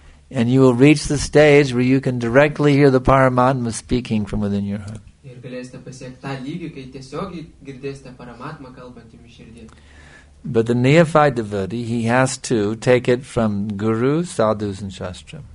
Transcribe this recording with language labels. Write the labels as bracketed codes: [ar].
[en] And you will reach the stage where you can directly hear the Paramatma speaking from within your heart. [lt] Ir galėsite pasiekti tą lygį, kai tiesiog girdėsite Paramatmą kalbant jums širdyje. [en] But the neophyte devotee, he has to take it from guru, sadhus and shastra.